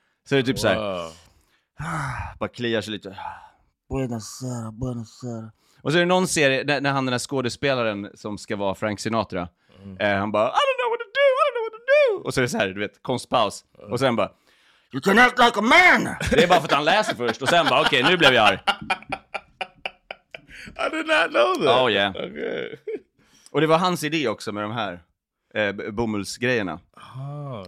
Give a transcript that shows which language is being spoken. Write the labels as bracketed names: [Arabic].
[Swedish] Så det är typ såhär. Bara kliar sig lite. [Italian] Buenasera. [Swedish] Och så är det någon serie när han, den här skådespelaren som ska vara Frank Sinatra. Mm. Han bara, [English] I don't know what to do. [Swedish] Och så är det så här, du vet, konstpaus. Mm. Och sen bara, [English] you can act like a man. [Swedish] Det är bara för att han läser först. Och sen bara, okej, nu blev jag arg. [English] I did not know that. Oh, yeah. Okay. [Swedish] Och det var hans idé också med de här bomullsgrejerna. [English] Oh,